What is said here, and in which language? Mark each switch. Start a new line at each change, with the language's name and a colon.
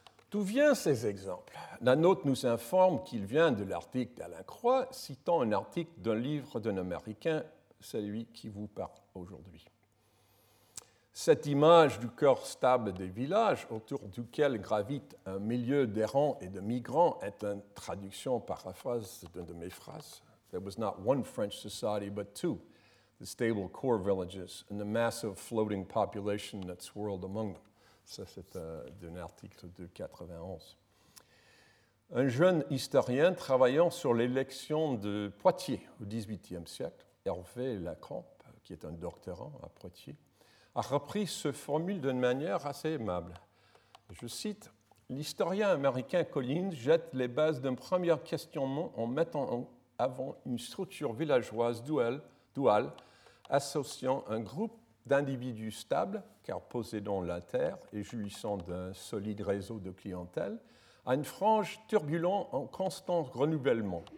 French: D'où viennent ces exemples? La note nous informe qu'il vient de l'article d'Alain Croix, citant un article d'un livre d'un Américain, celui qui vous parle aujourd'hui. Cette image du cœur stable des villages, autour duquel gravite un milieu d'errants et de migrants, est une traduction paraphrase d'une de mes phrases.
English: There was not one French society, but two, the stable core villages and the massive floating population that swirled among them.
French: Ça, c'est d'un article de 91. Un jeune historien travaillant sur l'élection de Poitiers au XVIIIe siècle, Hervé Lacrampe, qui est un doctorant à Poitiers, a repris ce formule d'une manière assez aimable. Je cite, « L'historien américain Collins jette les bases d'un premier questionnement en mettant en avant une structure villageoise duale associant un groupe d'individus stables, car possédant la terre et jouissant d'un solide réseau de clientèle, à une frange turbulente en constant renouvellement.